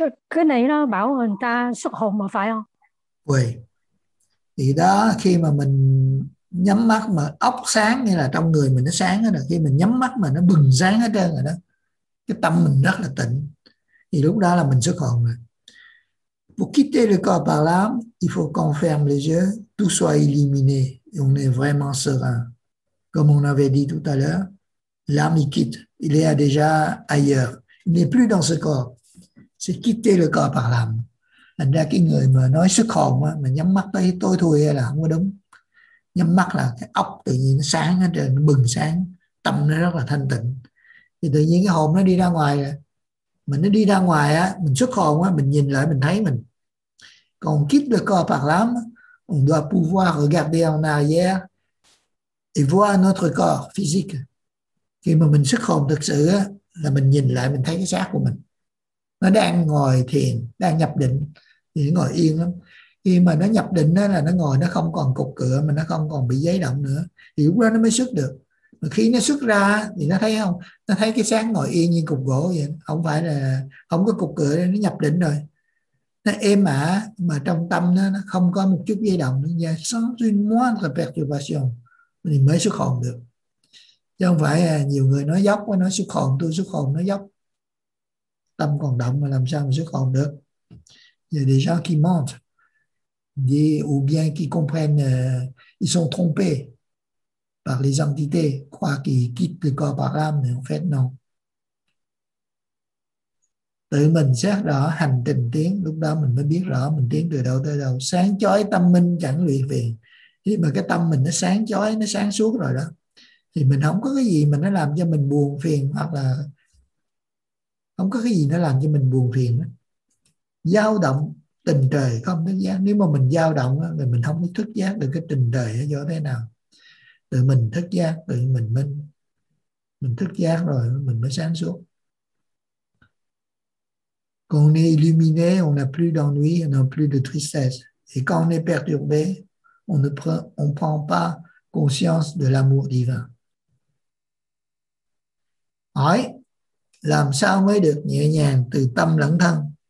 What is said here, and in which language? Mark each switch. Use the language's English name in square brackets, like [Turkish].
[Vietnamese] Cái này nó bảo người ta xuất hồn mà phải không? Vậy. Thì đó khi mà mình nhắm mắt mà óc sáng như là trong người mình nó sáng hết rồi, khi mình nhắm mắt mà nó bừng sáng hết trơn rồi đó. Cái tâm mình rất là tỉnh. Thì lúc đó là mình xuất hồn rồi. [French] Pour quitter le corps par l'âme, il faut qu'on ferme les yeux, tout soit illuminé. Et on est vraiment serein. Comme on avait dit tout à l'heure, l'âme, il quitte. Il est déjà ailleurs. Il n'est plus dans ce corps. C'est quitter le corps par l'âme. [Vietnamese] Thành ra cái người mà nói xuất hồn, mà nhắm mắt tới tối thui là không có đúng. Nhắm mắt là cái óc tự nhiên nó sáng hết rồi, nó bừng sáng. Tâm nó rất là thanh tịnh. Thì tự nhiên cái hồn nó đi ra ngoài. Mình nó đi ra ngoài, mình xuất hồn, mình nhìn lại, mình thấy mình. Còn [French] quitter le corps par l'âme, on doit pouvoir regarder en arrière et voir notre corps physique. [Vietnamese] Khi mà mình xuất hồn thực sự là mình nhìn lại mình thấy cái xác của mình. Nó đang ngồi thiền, đang nhập định, thì ngồi yên lắm. Khi mà nó nhập định là nó ngồi, nó không còn cục cửa mà nó không còn bị giấy động nữa, thì lúc đó nó mới xuất được. Mà khi nó xuất ra thì nó thấy không? Nó thấy cái xác ngồi yên như cục gỗ vậy, không phải là không có cục cửa, nó nhập định rồi. nó êm ả mà trong tâm nó không có một chút dây động nữa, [French] sans une moindre perturbation [Vietnamese] thì mới xuất hồn được. Chứ không phải nhiều người nói dốc, nói xuất hồn, tôi xuất hồn, nói dốc, tâm còn động mà làm sao mà xuất hồn được. [French] Il y a des gens qui mentent, ou bien qui comprennent, ils sont trompés par les entités, croient qu'ils quittent le corps par âme, mais en fait non. [Vietnamese] Tự mình xét rõ hành trình tiến, lúc đó mình mới biết rõ mình tiến từ đâu tới đâu. Sáng chói tâm minh chẳng lụy về. Khi mà cái tâm mình nó sáng chói, nó sáng suốt rồi đó, thì mình không có cái gì mà nó làm cho mình buồn phiền, hoặc là không có cái gì nó làm cho mình buồn phiền. Dao động tình trời không thức giác. Nếu mà mình dao động thì mình không có thức giác được cái tình trời do thế nào. Tự mình thức giác, tự mình thức giác rồi mình mới sáng suốt. [French] Quand on est illuminé, on n'a plus d'ennui, on n'a plus de tristesse. Et quand on est perturbé, on ne prend pas conscience de l'amour divin. [Vietnamese] Hỏi, làm sao mới được nhẹ nhàng từ tâm lẫn thân?